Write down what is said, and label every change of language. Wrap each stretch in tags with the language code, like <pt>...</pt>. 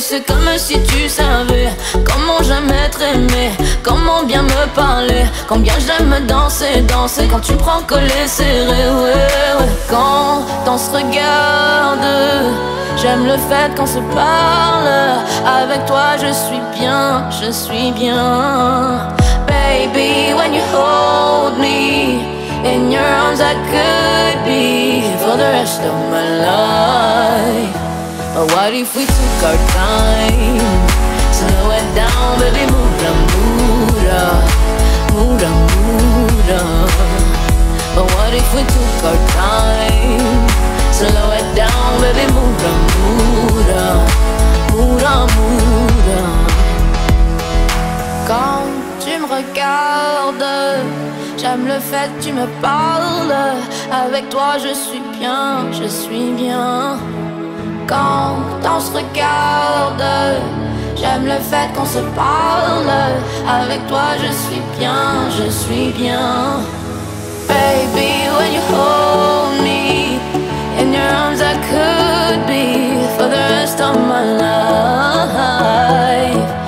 <fr>C'est comme si tu savais comment j'aime être aimé, comment bien me parler, combien j'aime danser, danser quand tu prends coller serré, ouais, ouais. Quand on se regarde, j'aime le fait qu'on se parle. Avec toi je suis bien, je suis bien.</fr> <en>Baby, when you hold me in your arms, I could be for the rest of my life. But what if we took our time? Slow it down, baby, mura, mura, mura, mura. But what if we took our time? Slow it down, baby, mura, mura, mura, mura.</en> <fr>Quand tu me regardes, j'aime le fait que tu me parles. Avec toi je suis bien, je suis bien. Quand on se regarde, j'aime le fait qu'on se parle. Avec toi je suis bien, je suis bien.</fr> <en>Baby, when you hold me in your arms, I could be for the rest of my life.</en>